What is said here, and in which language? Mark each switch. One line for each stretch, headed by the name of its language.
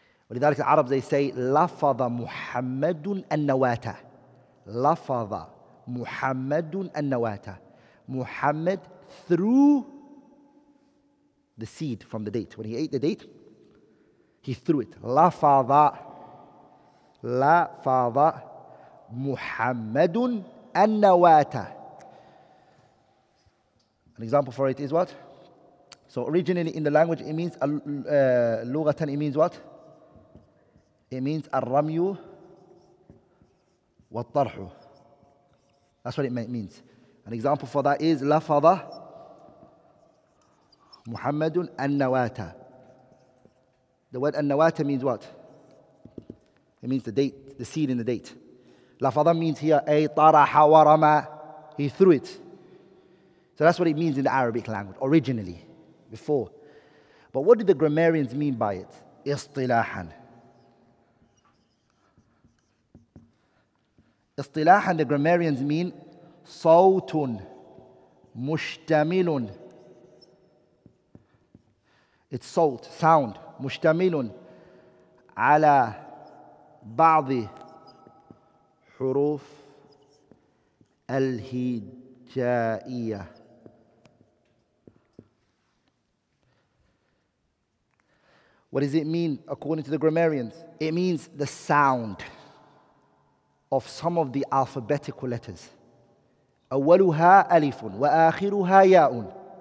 Arabic: ولذلك العرب,
English: they say,
Arabic: لفظ محمد النواتة. لفظ محمد النواتة.
English: Muhammad threw the seed from the date. When he ate the date, he threw it.
Arabic: لفظ لفظ محمد النواتة.
English: An example for it is what? So originally in the language it means lughatan, it means what? It means
Arabic: الرميو والطرحو.
English: That's what it means. An example for that is
Arabic: لفظ محمد النواتة.
English: The word النواتة means what? It means the date, the seed in the date. لفظ means here
Arabic: أي طرح ورمى.
English: He threw it. So that's what it means in the Arabic language originally, before. But what did the grammarians mean by it?
Arabic: إصطلاحاً.
English: إصطلاحاً, the grammarians mean
Arabic: صوت مشتمل.
English: It's صوت, sound,
Arabic: مشتمل على بعض حروف الهجائية.
English: What does it mean according to the grammarians? It means the sound of some of the alphabetical letters.
Arabic: أولها ألف وآخرها ياء.